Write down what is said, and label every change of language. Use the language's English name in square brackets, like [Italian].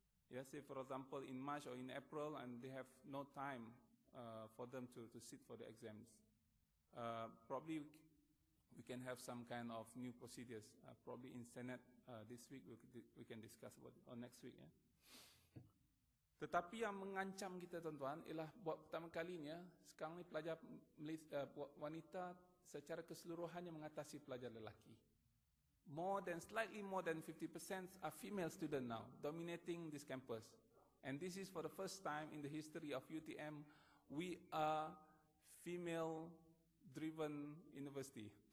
[English] Yeah, say for example in March or in April, and they have no time for them to sit for the exams. Probably we can have some kind of new procedures. Probably in Senate this week we can discuss about it, or next week. Yeah. [Malay] Tetapi yang mengancam kita tuan-tuan ialah buat pertama kalinya sekarang ni pelajar wanita secara keseluruhannya mengatasi pelajar lelaki. [English] More than 50% are female student now dominating this campus. And this is for the first time in the history of UTM we are female driven university.